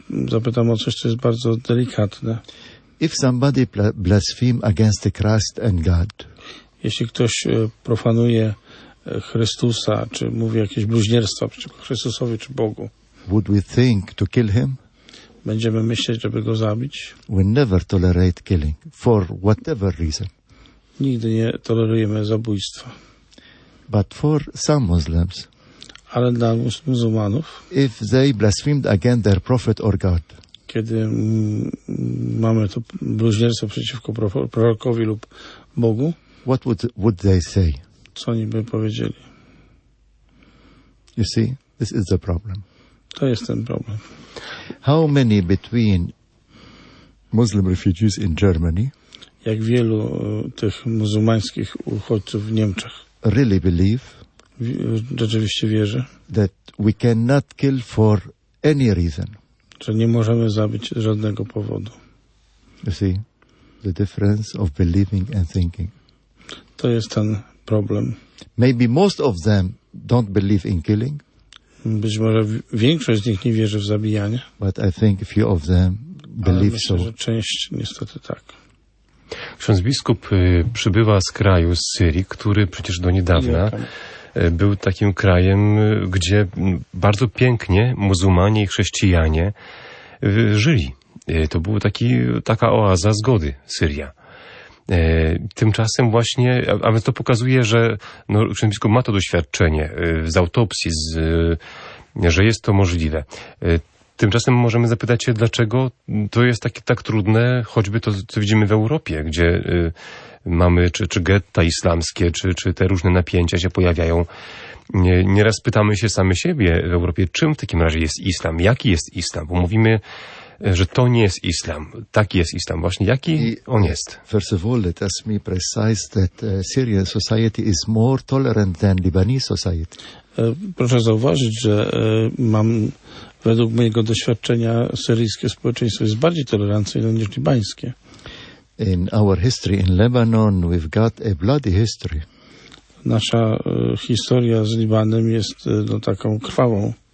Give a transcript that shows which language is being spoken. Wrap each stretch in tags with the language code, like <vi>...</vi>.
<pl>Zapytam o coś, co jest bardzo delikatne.</pl> <en>If somebody blaspheme against Christ and God.</en> <pl>Jeśli ktoś profanuje Chrystusa, czy mówi jakieś bluźnierstwa przeciwko Chrystusowi czy Bogu.</pl> <en>Would we think to kill him?</en> <pl>Będziemy myśleć, żeby go zabić?</pl> <en>We never tolerate killing for whatever reason.</en> <pl>Nigdy nie tolerujemy zabójstwa.</pl> <en>But for some Muslims,</en> <pl>ale dla muzułmanów,</pl> <en>if they blasphemed against their prophet or God,</en> <pl>kiedy mamy to bluźnierstwo przeciwko prorokowi lub Bogu,</pl> <en>what would they say?</en> <pl>Co oni by powiedzieli?</pl> <en>You see, this is the problem.</en> <pl>To jest ten problem.</pl> <en>How many between Muslim refugees in Germany?</en> <pl>Jak wielu tych muzułmańskich uchodźców w Niemczech</pl> <en>really believe,</en> <pl>rzeczywiście wierzy,</pl> <en>that we cannot kill for any reason.</en> <pl>Że nie możemy zabić z żadnego powodu.</pl> <en>You see, the difference of believing and thinking.</en> <pl>To jest ten problem.</pl> <en>Maybe most of them don't believe in killing.</en> <pl>Być może większość z nich nie wierzy w zabijanie.</pl> <en>But I think a few of them believe</en> <pl>myślę,</pl> <en>so.</en> <pl>Że część niestety tak. Ksiądz biskup przybywa z kraju, z Syrii, który przecież do niedawna był takim krajem, gdzie bardzo pięknie muzułmanie i chrześcijanie żyli. To była taka oaza zgody, Syria. Tymczasem właśnie, a więc to pokazuje, że no, ksiądz biskup ma to doświadczenie z autopsji, że jest to możliwe. Tymczasem możemy zapytać się, dlaczego to jest takie tak trudne, choćby to, co widzimy w Europie, gdzie mamy czy getta islamskie, czy te różne napięcia się pojawiają. Nieraz pytamy się sami siebie w Europie, czym w takim razie jest islam, jaki jest islam, bo mówimy, że to nie jest islam, taki jest islam właśnie, jaki on jest.</pl> <en>First of all, let us be precise that Syrian society is more tolerant than Lebanese society.</en> <pl>Proszę zauważyć, że mam według mojego doświadczenia syryjskie społeczeństwo jest bardziej tolerancyjne niż libańskie.</pl> <en>In our history in Lebanon we've got a bloody history.</en> <pl>Nasza historia z Libanem jest taką krwawą.</pl>